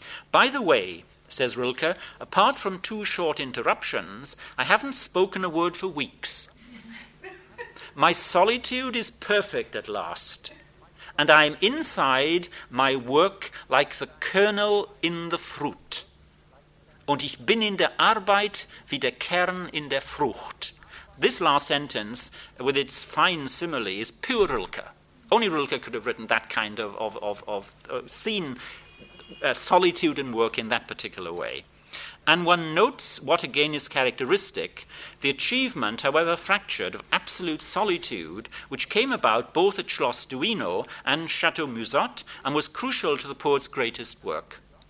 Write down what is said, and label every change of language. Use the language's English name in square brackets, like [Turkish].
[English] By the way, says Rilke, apart from two short interruptions, I haven't spoken a word for weeks. My solitude is perfect at last, and I am inside my work like the kernel in the fruit. [German] Und ich bin in der Arbeit wie der Kern in der Frucht. [English] This last sentence, with its fine simile, is pure Rilke. Only Rilke could have written that kind of scene, solitude and work in that particular way. And one notes what again is characteristic, the achievement, however fractured, of absolute solitude, which came about both at Schloss Duino and Chateau Musot and was crucial to the poet's greatest work.